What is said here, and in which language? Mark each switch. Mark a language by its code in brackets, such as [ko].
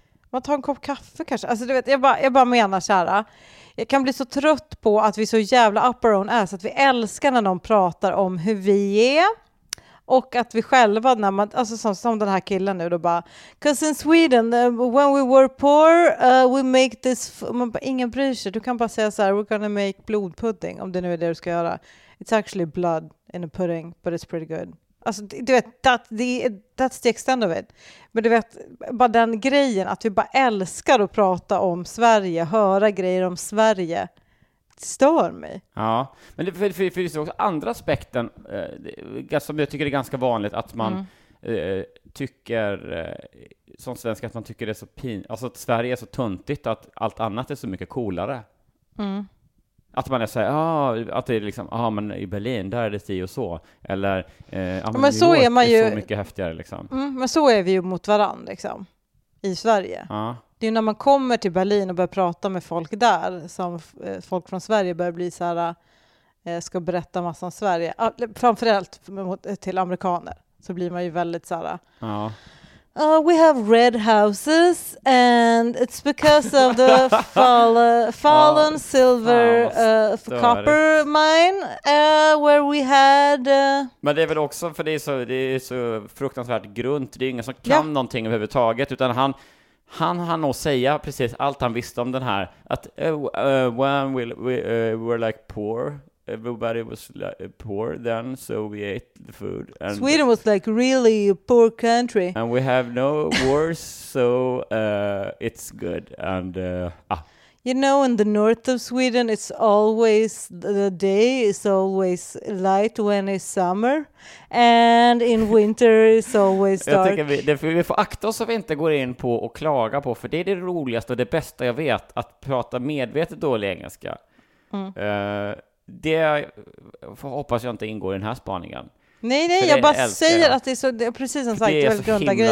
[sv] Man tar en kopp kaffe kanske. Alltså du vet, jag bara menar kära. Jag kan bli så trött på att vi så jävla [en] up our own ass, [sv] att vi älskar när någon pratar om hur vi är och att vi själva, när man, alltså som den här killen nu då bara, [en] 'cause in Sweden, when we were poor, we make this, [sv] man bara, ingen bryr sig, du kan bara säga så här, [en] 'we're gonna make [sv] blodpudding', om det nu är det du ska göra. [en] 'It's actually blood in a pudding, but it's pretty good.' [sv] Alltså, du vet, [en] that's the extent of it. [sv] Men du vet, bara den grejen att vi bara älskar att prata om Sverige, höra grejer om Sverige, stör mig. Ja, men det finns också andra aspekten som jag tycker är ganska vanligt, att man tycker som svensk att man tycker det är så pinigt, alltså att Sverige är så tuntigt, att allt annat är så mycket coolare. Mm. Att man är så här, att det är liksom, men i Berlin, där är det si och så. Eller, men så är man ju så mycket häftigare liksom. Men så är vi ju mot varandra liksom, i Sverige. Ja. Det är ju när man kommer till Berlin och börjar prata med folk där som folk från Sverige börjar bli så här, ska berätta massa om Sverige. Framförallt till amerikaner så blir man ju väldigt så här, ja. [en] We have red houses and it's because of the fallen silver copper mine where we had... [sv] Men det är väl också, för det är så fruktansvärt grunt. Det är ingen som kan någonting överhuvudtaget, utan han har nog säga precis allt han visste om den här. Att [en] when we were like poor... Everybody was like poor then, so we ate the food. And Sweden was like really a poor country. And we have no wars, so it's good. And you know, in the north of Sweden, it's always the day is always light when it's summer, and in winter it's always dark. [sv] Jag tycker vi får akta oss att vi inte går in på och klaga på, för det är det roligaste och det bästa jag vet, att prata medvetet dålig engelska. Det hoppas jag inte ingår i den här spaningen. Nej, jag bara älskar. Säger att det är så, det är precis som sagt, det är väldigt grunda grejer.